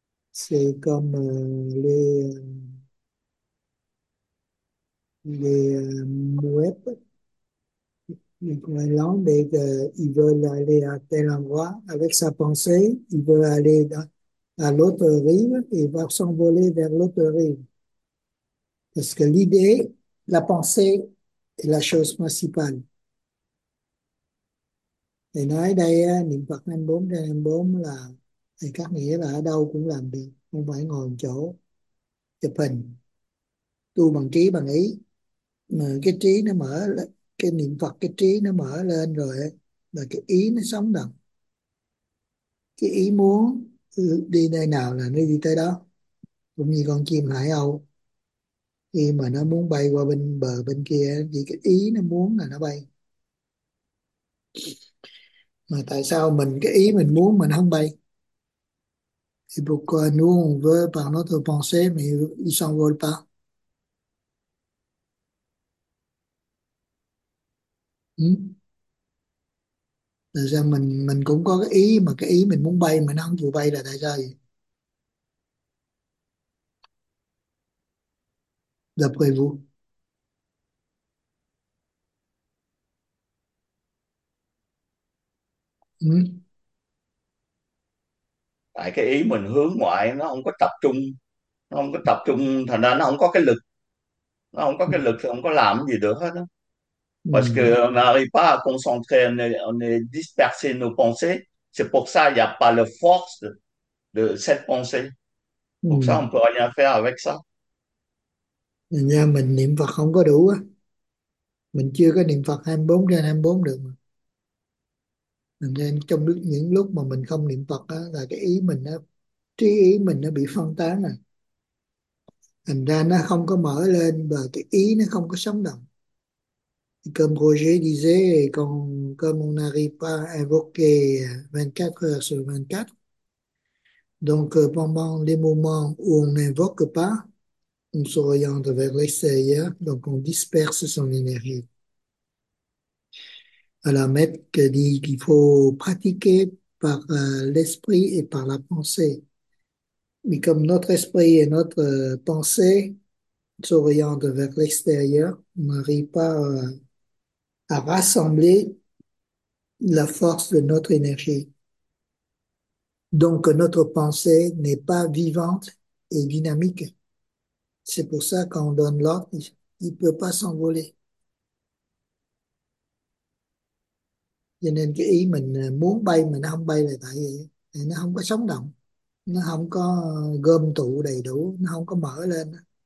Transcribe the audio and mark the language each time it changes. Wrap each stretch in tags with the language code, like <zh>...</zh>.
<fr>C'est comme les mouettes, les goélands, mais ils veulent aller à tel endroit avec sa pensée, ils veulent aller à l'autre rive et va s'envoler vers l'autre rive. Parce que l'idée, la pensée est la chose principale. Et</fr> <vi>nói đây, niệm Phật 24/24 là thì các nghĩa là ở đâu cũng làm được, không phải ngồi một chỗ chụp hình. Tu bằng trí, bằng ý. Mà cái trí nó mở lên, cái niệm Phật cái trí nó mở lên rồi là cái ý nó sống động, cái ý muốn đi nơi nào là nó đi tới đó. Cũng như con chim hải âu khi mà nó muốn bay qua bên bờ bên kia thì cái ý nó muốn là nó bay. Mà tại sao mình cái ý mình muốn mình không bay? Thì</vi> <fr>pourquoi nous on veut par notre pensée mais il s'envole pas.</fr> <vi>Tại sao mình cũng có cái ý mà cái ý mình muốn bay mà nó không chịu bay là tại sao vậy?</vi> <fr>D'après vous.</fr> <vi>Tại cái ý mình hướng ngoại nó không có tập trung, nó không có tập trung, thành ra nó không có cái lực, nó không có cái lực thì không có làm gì được hết đó.</vi> <fr>Parce que on n'arrive pas à concentrer, on est dispersé nos pensées. C'est pour ça qu'il n'y a pas la force de cette pensée. Pour ça, on ne peut rien faire avec ça.</fr> <vi>Nhà mình niệm Phật không có đủ á, mình chưa có niệm Phật 24/24 được mà. Nên trong những lúc mà mình không niệm Phật á, là cái ý mình nó, trí ý mình nó bị phân tán rồi, thành ra nó không có mở lên và cái ý nó không có sống động.</vi> <fr>Comme Roger disait, comme on n'arrive pas à invoquer 24 heures sur 24, donc pendant les moments où on n'invoque pas, on s'oriente vers l'extérieur, donc on disperse son énergie. Alors, Maître dit qu'il faut pratiquer par l'esprit et par la pensée. Mais comme notre esprit et notre pensée s'orientent vers l'extérieur, on n'arrive pas à rassembler la force de notre énergie. Donc notre pensée n'est pas vivante et dynamique. C'est pour ça quand on donne l'ordre, il ne peut pas s'envoler.</fr> <vi>Cho nên cái ý mình muốn bay mà nó không bay là tại vì nó không có sống động, nó không có gom tụ đầy đủ, nó không có mở lên.</vi>